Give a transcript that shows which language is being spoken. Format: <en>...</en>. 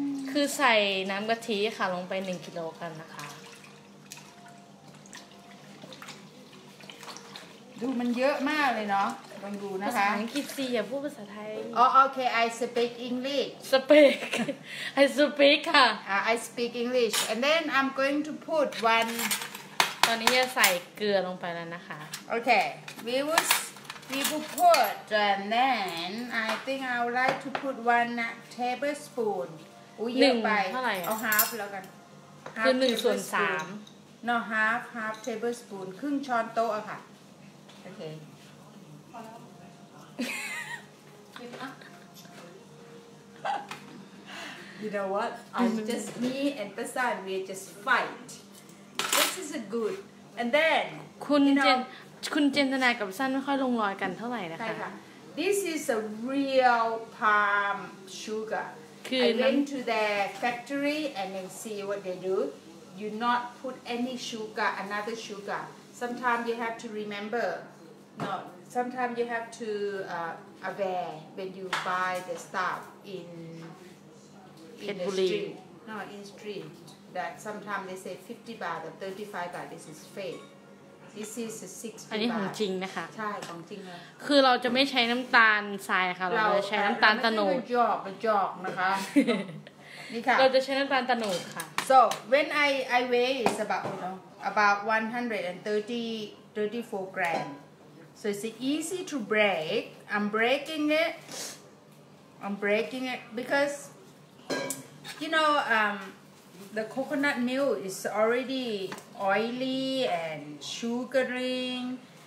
<th>คือใส่น้ำกะทิค่ะลงไป1กิโลกรัมนะคะ ดูมันเยอะมากเลยเนาะลองดูนะคะ ภาษาอังกฤษสิอย่าพูดภาษาไทย อ๋อโอเค</th> <en>I speak English I speak ค่ะ I speak English and then I'm going to put one</en> <th>ตอนนี้จะใส่เกลือลงไปแล้วนะคะ</th> <en>โอเค We will put, and then I think I would like to put 1 tablespoon.</en> <th>หนึ่งเท่าไหร่เอา half แล้วกัน คือหนึ่งส่วนสาม</th> <en>no half tablespoon</en> <th>ครึ่งช้อนโต๊ะค่ะโอเค พอแล้ว กิน ละ</th> <en>You know what? I'm just me and Pasan. We just fight. This is a good. And then</en> <th>คุณเจนคุณเจนทนากับสั้นไม่ค่อยลงรอยกันเท่าไหร่นะคะ ใช่ค่ะ</th> <en>This is a real palm sugar I went to their factory and then see what they do You not put any sugar another sugar Sometimes you have to remember No Sometimes you have to aware when you buy the stuff in the street No in street that sometimes they say 50 baht or 35 baht this is fakeThis is a 60</en> <th>อันนี้ของจริงนะคะ ใช่ของจริง ค่ะคือเราจะไม่ใช้น้ำตาลทรายค่ะเราจะใช้น้ำตาลตะหนู จอกนะคะนี่ค่ะ เราจะใช้น้ำตาลตะหนูค่ะ</th> <en>So when I weigh is about you know about 130 34 grams. So it's easy to break. I'm breaking it. I'm breaking it because, you know, the coconut milk is already oily and sugaring.</en>